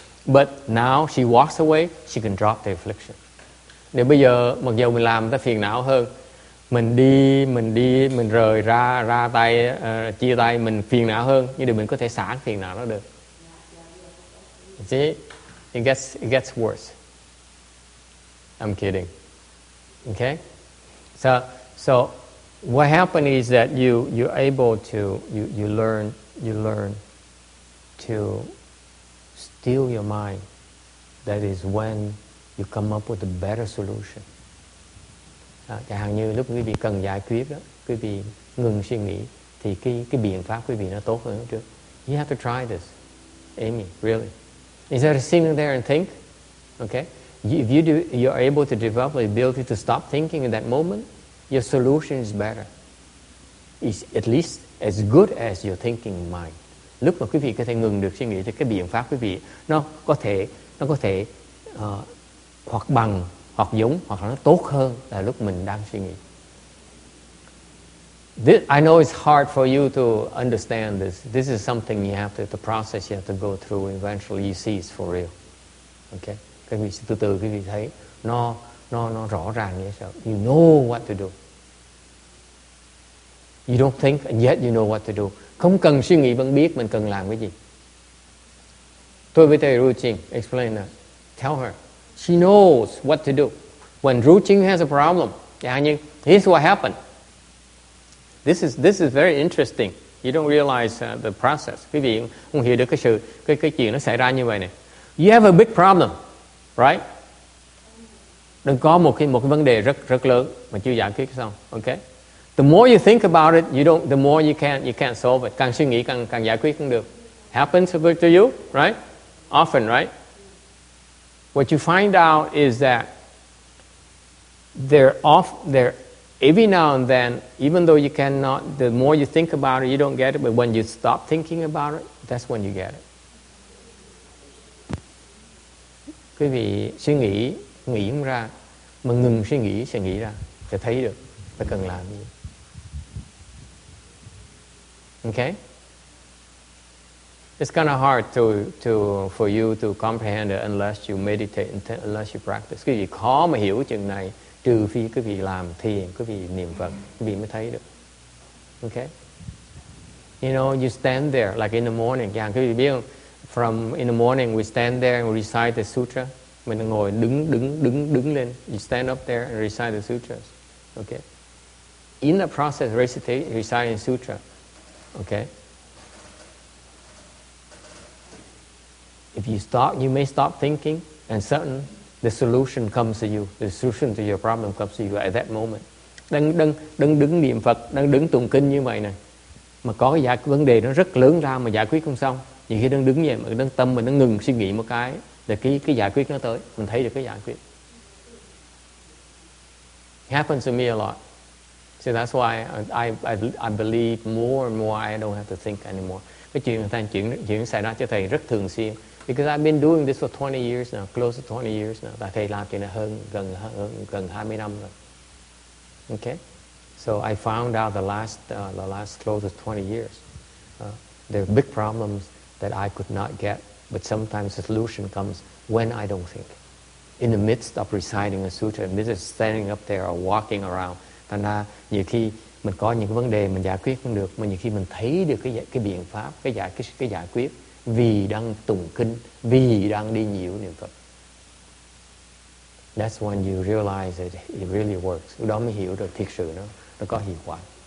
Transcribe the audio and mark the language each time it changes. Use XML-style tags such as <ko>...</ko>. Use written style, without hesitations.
<en>But now she walks away, she can drop the affliction.</en> <vi>Nếu bây giờ, mặc dù mình làm ta phiền não hơn, mình đi, mình rời ra, ra tay, chia tay, mình phiền não hơn, như để mình có thể xả phiền não đó được.</vi> <en>See? It gets worse. I'm kidding. Okay? So, what happened is that you're able to learn to still your mind. That is when you come up with a better solution.</en> <vi>Chẳng hạn như lúc quý vị cần giải quyết đó, quý vị ngừng suy nghĩ thì cái biện pháp quý vị nó tốt hơn trước.</vi> <en>You have to try this, Amy. Really, instead of sitting there and think, okay? If you do, you are able to develop the ability to stop thinking in that moment. Your solution is better. It's at least as good as your thinking mind.</en> <vi>Lúc mà quý vị có thể ngừng được suy nghĩ thì cái biện pháp quý vị nó có thể hoặc bằng, hoặc giống, hoặc nó tốt hơn là lúc mình đang suy nghĩ.</vi> <en>This, I know it's hard for you to understand this. This is something you have to process, you have to go through. Eventually you see it's for real. Okay?</en> <vi>Quý vị sẽ từ từ quý vị thấy nó rõ ràng như sao.</vi> <en>You know what to do. You don't think and yet you know what to do.</en> <vi>Không cần suy nghĩ vẫn biết mình cần làm cái gì. Tôi với thầy Ruching,</vi> <en>explain that. Tell her. She knows what to do. When Ruching has a problem, here's what happened. This is very interesting. You don't realize the process.</en> <vi>Quý vị không hiểu được cái chuyện nó xảy ra như vậy này.</vi> <en>You have a big problem, right?</en> <vi>Đừng có một cái vấn đề rất rất lớn mà chưa giải quyết xong, okay?</vi> <en>The more you think about it, the more you can't solve it.</en> <vi>Càng suy nghĩ càng giải quyết không được.</vi> <en>Happens to you, right? Often, right? What you find out is that they're every now and then, even though you cannot, the more you think about it, you don't get it. But when you stop thinking about it, that's when you get it.</en> <vi>Quý vị suy nghĩ không ra, mà ngừng suy nghĩ ra, sẽ thấy được, phải cần làm gì.</vi> <en>Okay? It's kind of hard for you to comprehend it unless you meditate, unless you practice.</en> <vi>Quý vị khó mà hiểu chuyện này, trừ phi quý vị làm thiền, quý vị niệm Phật, quý vị mới thấy được.</vi> <en>Okay? You know, you stand there, like in the morning. Yeah,</en> <vi>quý vị biết không?</vi> <en>From in the morning, we stand there and we recite the sutra.</en> <vi>Mình ngồi đứng lên.</vi> <en>You stand up there and recite the sutras. Okay? In the process of reciting sutra, okay? If you stop, you may stop thinking, and suddenly the solution comes to you. The solution to your problem comes to you at that moment.</en> <vi>Đang đứng niệm Phật, đang đứng tụng kinh như vậy này, mà có cái vấn đề nó rất lớn ra mà giải quyết không xong. Nhiều khi đang đứng vậy mà đang tâm mình nó ngừng suy nghĩ một cái, là cái giải quyết nó tới, mình thấy được cái giải quyết.</vi> <en>It happens to me a lot. So that's why I believe more and more I don't have to think anymore.</en> <vi>cái chuyện thành chuyện xảy ra cho thầy rất thường xuyên.</vi> <en>Because I've been doing this for 20 years now, close to 20 years now.</en> <vi>Và thầy làm chuyện này gần 20 năm rồi.</vi> <en>Okay? So I found out the last close to 20 years. There are big problems that I could not get, but sometimes the solution comes when I don't think. In the midst of reciting a sutra, in the midst of standing up there or walking around,</en> <vi>thành ra nhiều khi mình có những vấn đề mình giải quyết không được, mà nhiều khi mình thấy được cái biện pháp, cái giải quyết vì đang tụng kinh, vì đang đi nhiều niệm Phật.</vi> <en>That's when you realize that it really works.</en> <vi>Đó mới hiểu được thiệt sự nó có hiệu quả.</vi>